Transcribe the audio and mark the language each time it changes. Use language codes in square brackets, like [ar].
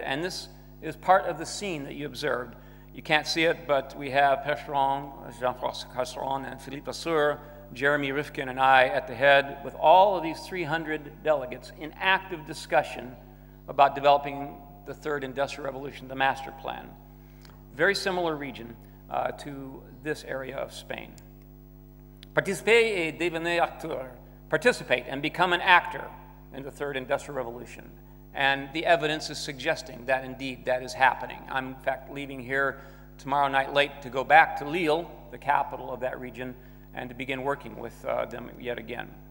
[en] And this is part of the scene that you observed. You can't see it, but we have Percheron, Jean-François Caron, and Philippe Vasseur, Jeremy Rifkin, and I at the head, with all of these 300 delegates in active discussion about developing the third industrial revolution, the master plan. Very similar region to this area of Spain. [fr] Participer et devenir acteur. [en] Participate and become an actor in the third industrial revolution. And the evidence is suggesting that indeed that is happening. I'm in fact leaving here tomorrow night late to go back to Lille, the capital of that region, and to begin working with them yet again.